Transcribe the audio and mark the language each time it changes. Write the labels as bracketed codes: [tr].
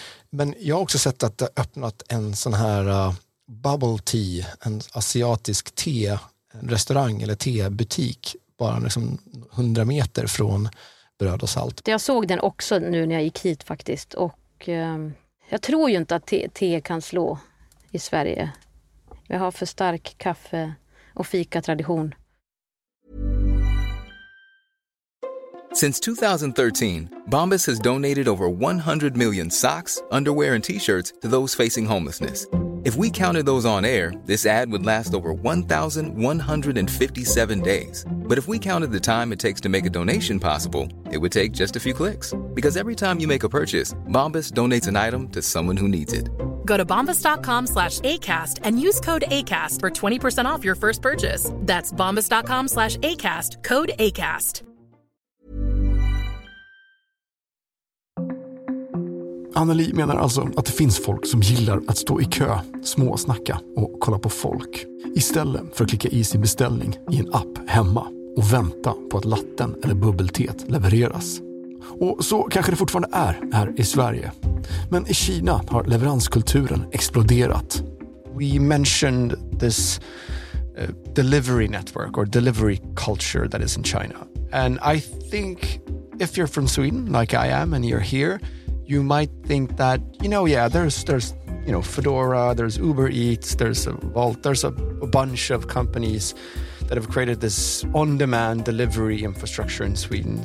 [sv] Men jag har också sett att det har öppnat en sån här bubble tea, en asiatisk te-restaurang eller tebutik bara liksom 100 meter från Bröd och Salt. Jag såg den också nu när jag gick hit faktiskt och jag tror ju inte att te kan slå i Sverige. Vi har för stark kaffe- och fika-tradition. [en] Since 2013, Bombas has donated over 100 million socks, underwear, and T-shirts to those facing homelessness. If we counted those on air, this ad would last over 1,157 days. But if we counted the time it takes to make a donation possible, it would take just a few clicks. Because every time you make a purchase, Bombas donates an item to someone who needs it. Go to bombas.com/ACAST and use code ACAST for 20% off your first purchase. That's bombas.com/ACAST, code ACAST. [sv] Anneli menar alltså att det finns folk som gillar att stå i kö, småsnacka och kolla på folk. Istället för att klicka i sin beställning i en app hemma och vänta på att latten eller bubbeltet levereras. Och så kanske det fortfarande är här i Sverige. Men i Kina har leveranskulturen exploderat. [en] We mentioned this delivery network or delivery culture that is in China. And I think if you're from Sweden like I am and you're here, you might think that, you know, yeah, there's you know, Fedora, there's Uber Eats, there's a Vault, there's a bunch of companies that have created this on-demand delivery infrastructure in Sweden.